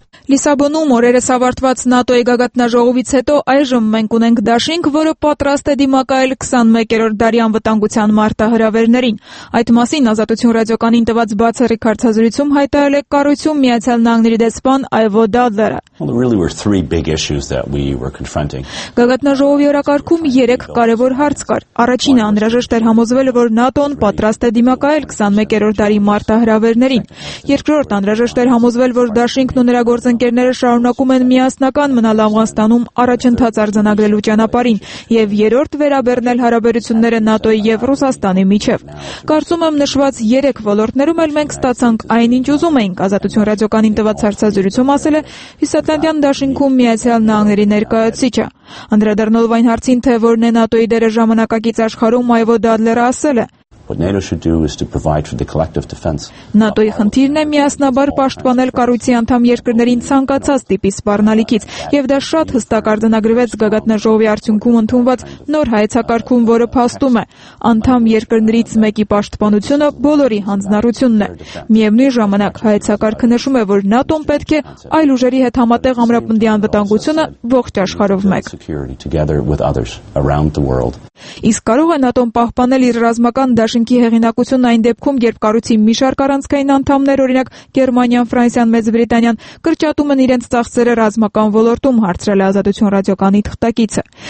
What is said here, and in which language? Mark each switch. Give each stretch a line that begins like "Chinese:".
Armenian: Լիսաբոնում օրերս ավարտված ՆԱՏՕ-ի գագաթնաժողովից հետո այժմ մենք ունենք դաշինք, որը պատրաստ է դիմակայել 21-րդ դարի անվտանգության մարտահրավերներին։ Այդ մասին Ազատություն ռադիոկանին տված բացառիկ հարցազրույցում հայտարարել է կառույցում Միացյալ Նահանգների դեսպան Այվո Դադլերը։
English: Well, really were three big issues that we were confronting.
Armenian: Գագաթնաժողովի օրակարգում 3 կարևոր հարց կար։ Առաջինը անհրաժեշտ էր համոզվել, որ ՆԱՏՕ-ն պատրաստ է դիմակայել 21-րդ դարի մարտահրավերներին։ Երկրորդ, անհրաժեշտ էր համոզվել, որ Դաշինքն ու նրա գործընկերները շարունակում են միասնական մնալ Աֆղանստանում առաջընթաց արձանագրելու ճանապարհին, և երրորդ, վերաբերնել հարաբերությունները ՆԱՏՕ-ի և Ռուսաստանի միջև։ Կարծում եմ, նշված 3 ոլորտներում էլ մենք ստացանք այն, ինչ ուզում էինք, Ազատություն ռադիոկանին տված հարցազրույցում ասել է Հիսատլանդյան Դաշինքում Միացյալ Նահանգների ներկայացուցիչը։ Անդրադառնալով այն հարցին, թե որն է ՆԱՏՕ-ի դերը ժամանակակից աշխարհում, Այվո Դադլերը ասել է.
English: What NATO should do is to provide for the collective defense.
Armenian: ՆԱՏՕ-ի խնդիրն է միասնաբար պաշտպանել կառույցի անդամ երկրներին ցանկացած տիպի սպառնալիքից, և դա շատ հստակ արձանագրվեց գագաթնաժողովի արդյունքում ընդունված նոր հայեցակարգում, որը փաստում է. անդամ երկրներից մեկի պաշտպանությունը բոլորի հանձնառությունն է։ Միևնույն ժամանակ հայեցակարգը նշում է, որ ՆԱՏՕ-ն պետք է այլ ուժերի հետ համատեղ ամրապնդի անվտանգությունը ողջ աշխարհով մեկ։ Իսկ կարող է ՆԱՏՕ-ն պահպանել իր ռազմական դաշինքի հեղինակությունն այն դեպքում, երբ կառույցի մի շարք առանցքային անդամներ, օրինակ Գերմանիան, Ֆրանսիան, Մեծ Բրիտանիան, կրճատում են իրենց ծախսերը ռազմական ոլորտում, հարցրել է Ազատություն ռադիոկանի թղթակիցը։